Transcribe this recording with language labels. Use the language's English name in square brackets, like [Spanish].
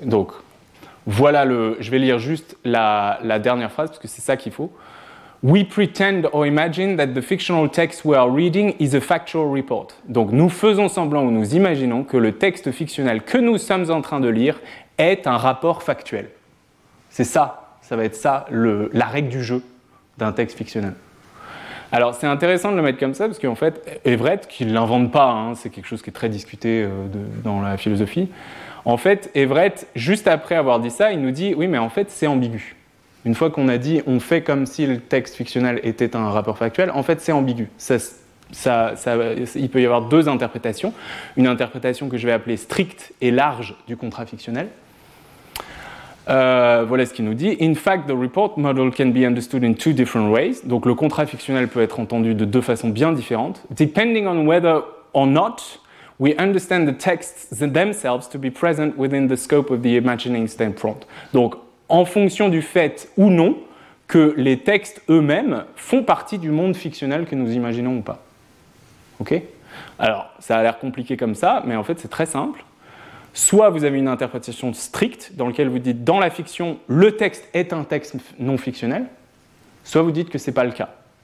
[French] Donc, voilà je vais lire juste la dernière phrase, parce que c'est ça qu'il faut. [English] We pretend or imagine that the fictional text we are reading is a factual report. [French] Donc, nous faisons semblant ou nous imaginons que le texte fictionnel que nous sommes en train de lire est un rapport factuel. C'est ça. Ça va être ça, la règle du jeu d'un texte fictionnel. Alors, c'est intéressant de le mettre comme ça, parce qu'en fait, Everett, qui ne l'invente pas, hein, c'est quelque chose qui est très discuté dans la philosophie, en fait, Everett, juste après avoir dit ça, il nous dit « Oui, mais en fait, c'est ambigu. » Une fois qu'on a dit « On fait comme si le texte fictionnel était un rapport factuel », en fait, c'est ambigu. Ça, il peut y avoir deux interprétations. Une interprétation que je vais appeler stricte et large du contrat fictionnel. Voilà ce qu'il nous dit. [English] In fact, the report model can be understood in two different ways. [French] Donc le contrat fictionnel peut être entendu de deux façons bien différentes. [English] Depending on whether or not we understand the texts themselves to be present within the scope of the imagining standpoint. [French] Donc en fonction du fait ou non que les textes eux-mêmes font partie du monde fictionnel que nous imaginons ou pas. Ok ? Alors, ça a l'air compliqué comme ça, mais en fait, c'est très simple. Soit vous avez une interprétation stricte, dans laquelle vous dites, dans la fiction, le texte est un texte non fictionnel, soit vous dites que ce n'est pas le cas.